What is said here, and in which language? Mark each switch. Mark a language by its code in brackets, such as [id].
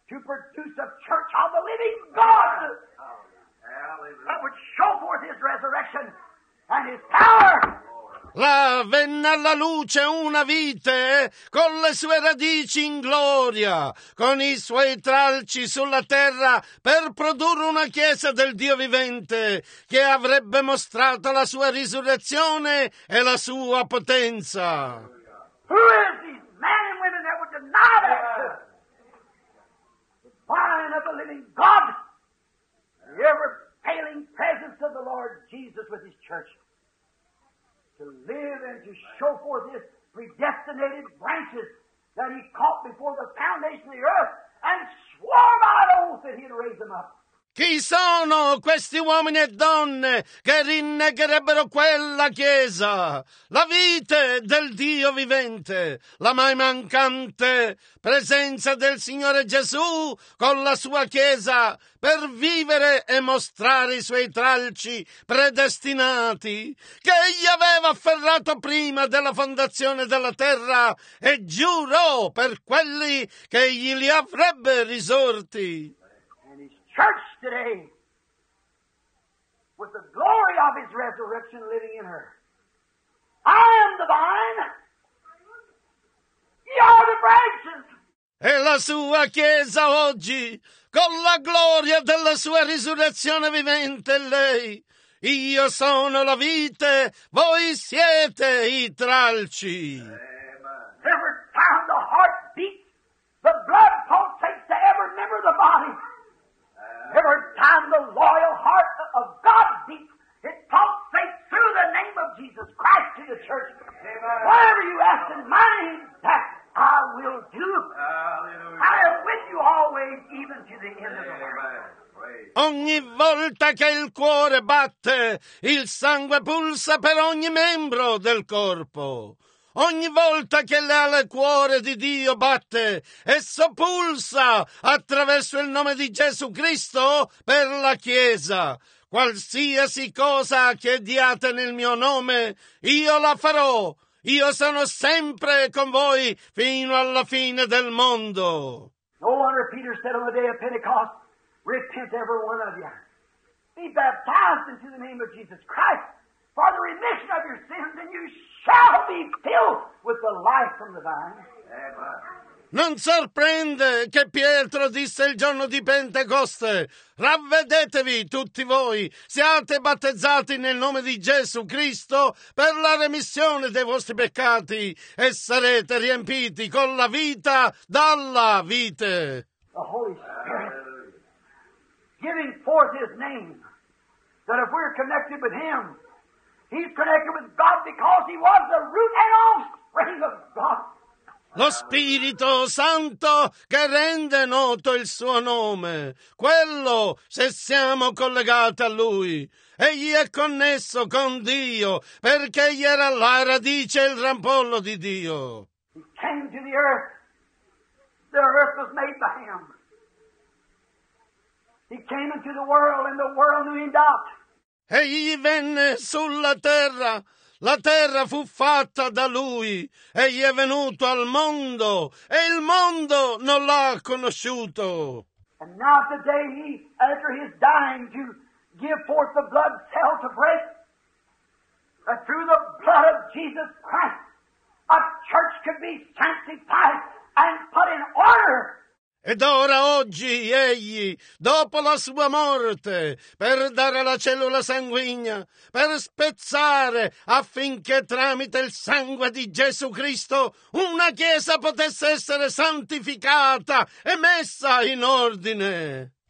[en] produce a church of the living God that would show forth his resurrection and his power. [it] La venne alla luce una vite con le sue radici in gloria, con i suoi tralci sulla terra per produrre una chiesa del Dio vivente che avrebbe mostrato la sua risurrezione e la sua potenza. [en] Who is these men and women that would deny that? The vine of the living God, the ever-failing presence of the Lord Jesus with his church. To live and to show forth his predestinated branches that he caught before the foundation of the earth and swore by an oath that he'd raise them up. [it] Chi sono questi uomini e donne che rinnegherebbero quella chiesa, la vite del Dio vivente, la mai mancante presenza del Signore Gesù con la sua chiesa per vivere e mostrare i suoi tralci predestinati che egli aveva afferrato prima della fondazione della terra e giurò per quelli che egli li avrebbe risorti. [en] Church today, with the glory of his resurrection living in her. I am the vine, ye are the branches. [it] E la sua chiesa oggi, con la gloria della sua risurrezione vivente, lei. Io sono la vite, voi siete i tralci. [en] Amen. Every time the heart beats, the blood pulsates to every member of the body. Every time the loyal heart of God beats, it pulsates through the name of Jesus Christ to the church. Amen. Whatever you ask in my name, that I will do. Hallelujah. I am with you always, even to the end of the world. [it] Ogni volta che il cuore batte, il sangue pulsa per ogni membro del corpo. Ogni volta che l'ale cuore di Dio batte, esso pulsa attraverso il nome di Gesù Cristo per la Chiesa. Qualsiasi cosa chiediate nel mio nome, io la farò. Io sono sempre con voi fino alla fine del mondo. [en] No wonder Peter said on the day of Pentecost, repent every one of you. Be baptized into the name of Jesus Christ for the remission of your sins, and you shall be filled with the life from the vine. [it] Non sorprende che Pietro disse il giorno di Pentecoste, ravvedetevi tutti voi, siate battezzati nel nome di Gesù Cristo per la remissione dei vostri peccati e sarete riempiti con la vita dalla vite. [en] The Holy Spirit giving forth his name, that if we're connected with him, he's connected with God because he was the root and offspring of God. [it] Lo Spirito Santo che rende noto il suo nome, quello se siamo collegati a Lui. Egli è connesso con Dio perché egli era la radice e il rampollo di Dio. [en] He came to the earth. The earth was made by him. He came into the world and the world knew him not. [it] Egli venne sulla terra, la terra fu fatta da lui, egli è venuto al mondo e il mondo non l'ha conosciuto. [en] And now today he, after his dying, to give forth the blood cell to break, that through the blood of Jesus Christ, a church could be sanctified and put in order. [it] Ed ora oggi egli, dopo la sua morte, per dare la cellula sanguigna, per spezzare affinché tramite il sangue di Gesù Cristo una chiesa potesse essere santificata e messa in ordine.